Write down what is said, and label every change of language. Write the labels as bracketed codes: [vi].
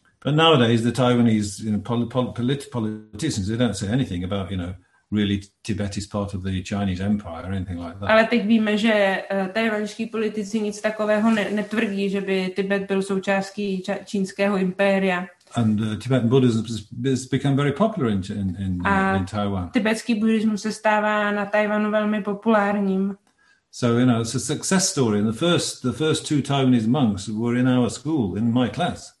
[en] But nowadays the Taiwanese, you know, politicians, they don't say anything about, you know, really Tibet is part of the Chinese empire or anything like that. [cs] Ale teď víme, že tajvanští politici nic takového netvrdí, že by Tibet byl součástí čínského impéria. [en] And Tibetan Buddhism has become very popular in Taiwan. [cs] Tibetský buddhismus se stává na Tajvanu velmi populárním. [en] So, you know, it's a success story. And the first two Taiwanese monks were in our school, in my class.